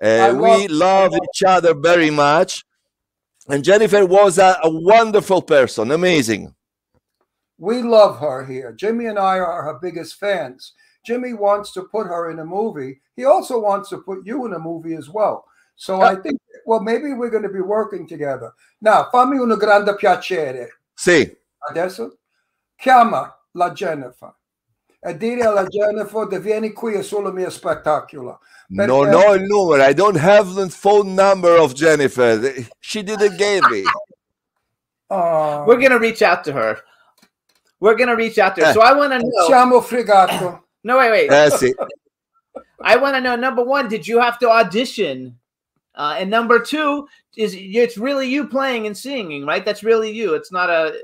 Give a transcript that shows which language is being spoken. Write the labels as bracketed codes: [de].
[en] We love each other very much. And Jennifer was a wonderful person, amazing. We love her here. Jimmy and I are her biggest fans. Jimmy wants to put her in a movie. He also wants to put you in a movie as well. So I think, maybe we're going to be working together. Now, [it] fammi un grande piacere. Sì. Adesso, chiama la Jennifer e dire alla Jennifer di vieni qui e solo mio spettacolo. No, il numero. [en] I don't have the phone number of Jennifer. She didn't give me. We're going to reach out to her. We're going to reach out to her. So I want to know. [it] Siamo fregato. [en] No, wait. [it] Sì. [en] I want to know, number one, did you have to audition? And number two, it's really you playing and singing, right? That's really you. It's not a...